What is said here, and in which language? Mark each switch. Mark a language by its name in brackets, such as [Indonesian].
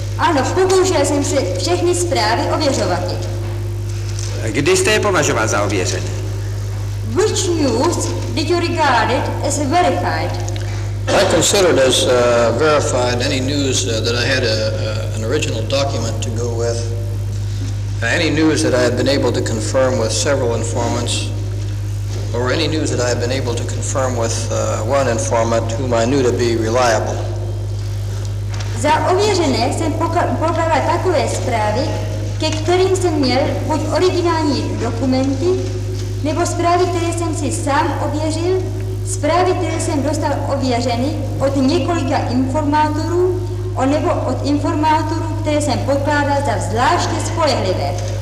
[Czech] Ano, pokoušel jsem se všechny zprávy ověřovat. Kdy jste je považoval za ověřené? [English] Which news did you regard it as verified? I considered as verified any news that I had an original document to go with. Any news that I had been able to confirm with several informants, or any news that I had been able to confirm with one informant whom I knew to be reliable. [Czech] Za ověřené jsem pokládal takové zprávy, ke kterým jsem měl buď originální dokumenty, nebo zprávy, které jsem si sám ověřil, zprávy, které jsem dostal ověřeny od několika informátorů, nebo od informátorů, které jsem pokládal za zvláště spolehlivé.